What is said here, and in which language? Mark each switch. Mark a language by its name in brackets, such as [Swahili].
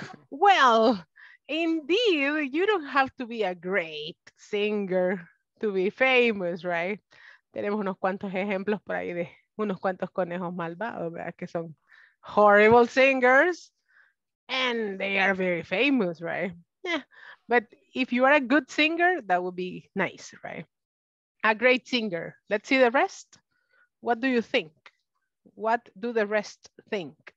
[English] Well, indeed, you don't have to be a great singer to be famous, right? [Spanish] Tenemos unos cuantos ejemplos por ahí de unos cuantos conejos malvados, ¿verdad? Que son [English] horrible singers and they are very famous, right? Yeah. But if you are a good singer, that would be nice, right? A great singer. Let's see the rest. What do you think? What do the rest think?